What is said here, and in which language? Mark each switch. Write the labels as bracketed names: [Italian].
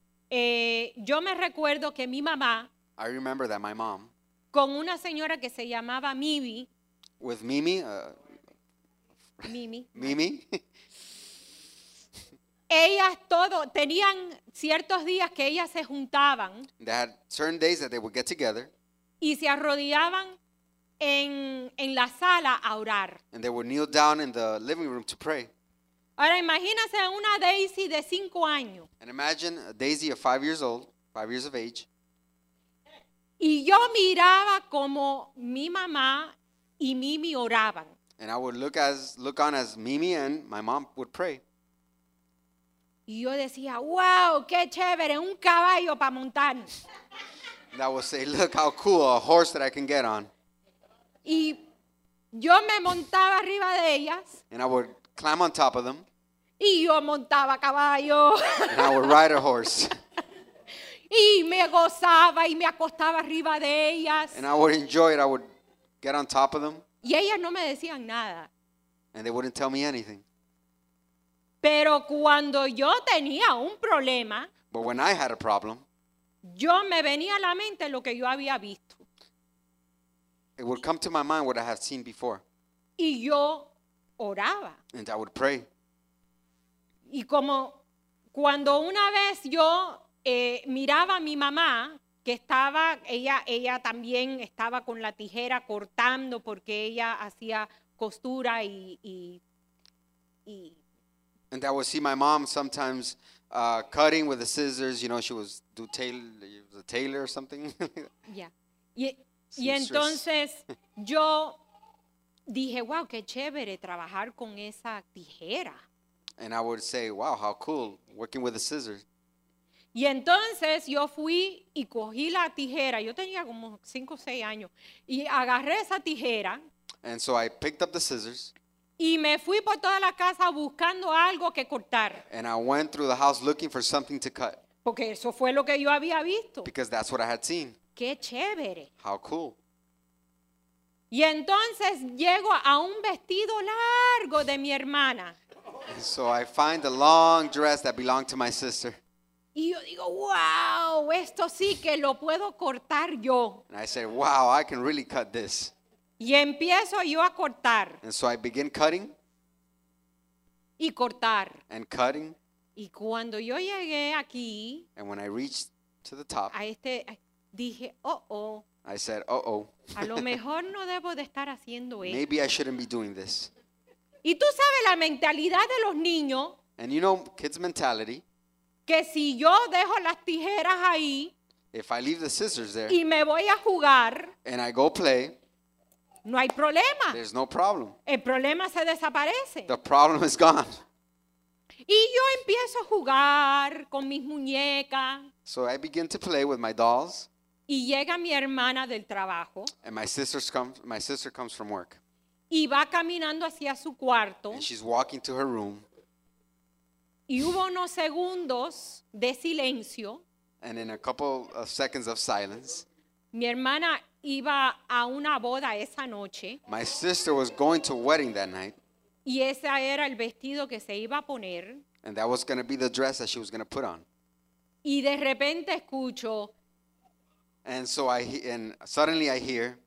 [Spanish] Yo me recuerdo que mi mamá. [English] I remember that my mom. [Spanish] Con una señora que se llamaba Mimi. [English] With Mimi. Mimi. Mimi. [Spanish] Ellas todo tenían ciertos días que ellas se juntaban. [English] They had certain days that they would get together. [Spanish] Y se arrodillaban en la sala a orar. [English] And they would kneel down in the living room to pray. [Spanish] Ahora imagínense una Daisy de 5 años. [English] And imagine a Daisy of 5 years old, 5 years of age. [Spanish] Y yo miraba como mi mamá y Mimi oraban. [English] And I would look on as Mimi and my mom would pray. [Spanish] Y yo decía, wow, qué chévere, un caballo para montar. [English] And I would say, look how cool, a horse that I can get on. [Spanish] Y yo me montaba arriba de ellas. [English] And I would climb on top of them. [Spanish] Y yo montaba caballo. [English] And I would ride a horse. [Spanish] Y me gozaba y me acostaba arriba de ellas. [English] And I would enjoy it, I would get on top of them. [Spanish] Y ellas no me decían nada. [English] And they wouldn't tell me anything. [Spanish] Pero cuando yo tenía un problema, [English] but when I had a problem, [Spanish] yo me venía a la mente lo que yo había visto. [English] It would come to my mind what I had seen before. [Spanish] Y yo oraba. [English] And I would pray. [Spanish] Y como cuando una vez yo miraba a mi mamá, que estaba, ella también estaba con la tijera cortando porque ella hacía costura y [English] And I would see my mom sometimes cutting with the scissors. You know, she was do tailor, was a tailor or something. Yeah. [Spanish] Y entonces yo dije, wow, qué chévere trabajar con esa tijera. [English] And I would say, wow, how cool, working with the scissors. [Spanish] Y entonces yo fui y cogí la tijera. Yo tenía como 5 o 6 años. Y agarré esa tijera. [English] And so I picked up the scissors. [Spanish] Y me fui por toda la casa buscando algo que cortar. [English] And I went through the house looking for something to cut. [Spanish] Porque eso fue lo que yo había visto. [English] Because that's what I had seen. [Spanish] Qué chévere. [English] How cool. [Spanish] Y entonces llego a un vestido largo de mi hermana. [English] And so I find a long dress that belonged to my sister. [Spanish] Y yo digo, wow, esto sí que lo puedo cortar yo. [English] And I say, wow, I can really cut this. [Spanish] Y empiezo yo a cortar. [English] And so I begin cutting. [Spanish] Y cortar. [English] And cutting. [Spanish] Y cuando yo llegué aquí. [English] And when I reached to the top. [Spanish] A este, dije, oh, oh. [English] I said, oh, oh. [Spanish] A lo mejor no debo de estar haciendo esto. [English] Maybe I shouldn't be doing this. [Spanish] Y tú sabes la mentalidad de los niños. [English] And you know kids' mentality. [Spanish] Que si yo dejo las tijeras ahí. [English] If I leave the scissors there. [Spanish] Y me voy a jugar. [English] And I go play. [Spanish] No hay problema. [English] There's no problem. [Spanish] El problema se desaparece. [English] The problem is gone. [Spanish] Y yo empiezo a jugar con mis muñecas. [English] So I begin to play with my dolls. [Spanish] Y llega mi hermana del trabajo. [English] And my sister comes from work. [Spanish] Y va caminando hacia su cuarto. [English] And she's walking to her room. [Spanish] Y hubo unos segundos de silencio. [English] And in a couple of seconds of silence. [Spanish] Mi hermana iba a una boda esa noche. [English] My sister was going to a wedding that night. [Spanish] Y ese era el vestido que se iba a poner. [English] And that was going to be the dress that she was going to put on. [Spanish] Y de repente escucho. [English] And so I, and suddenly I hear.